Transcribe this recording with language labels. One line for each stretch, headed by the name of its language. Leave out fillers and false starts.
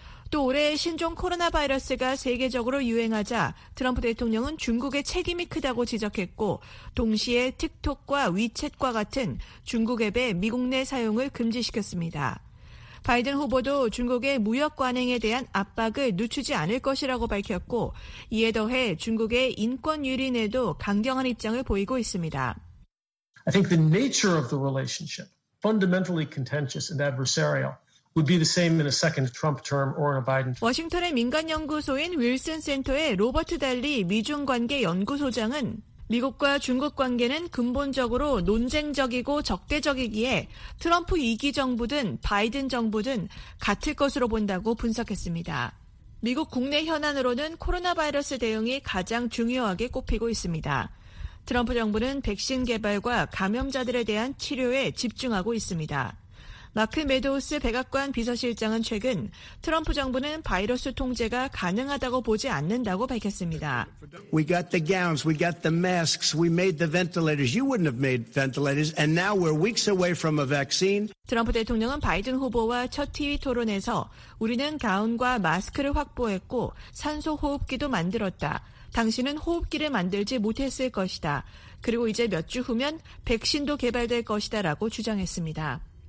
Korean: 또 올해 신종 코로나 바이러스가 세계적으로 유행하자 트럼프 대통령은 중국의 책임이 크다고 지적했고 동시에 틱톡과 위챗과 같은 중국 앱의 미국 내 사용을 금지시켰습니다. 바이든 후보도 중국의 무역 관행에 대한 압박을 늦추지 않을 것이라고 밝혔고 이에 더해 중국의 인권 유린에도 강경한 입장을 보이고 있습니다.
English: I think the nature of the relationship, fundamentally contentious and adversarial, would be the same in a second Trump term or in a Biden term.
Korean: 워싱턴의 민간 연구소인 윌슨 센터의 로버트 달리 미중 관계 연구소장은 미국과 중국 관계는 근본적으로 논쟁적이고 적대적이기에 트럼프 2기 정부든 바이든 정부든 같을 것으로 본다고 분석했습니다. 미국 국내 현안으로는 코로나 바이러스 대응이 가장 중요하게 꼽히고 있습니다. 트럼프 정부는 백신 개발과 감염자들에 대한 치료에 집중하고 있습니다. 마크 메도우스 백악관 비서실장은 최근 트럼프 정부는 바이러스 통제가 가능하다고 보지 않는다고 밝혔습니다.
English: We got the gowns, we got the masks, we made the ventilators. You wouldn't have made ventilators, and now we're weeks away from a vaccine.
Korean: 트럼프 대통령은 바이든 후보와 첫 TV 토론에서 우리는 가운과 마스크를 확보했고 산소 호흡기도 만들었다. 당신은 호흡기를 만들지 못했을 것이다. 그리고 이제 몇 주 후면 백신도 개발될 것이다 라고 주장했습니다.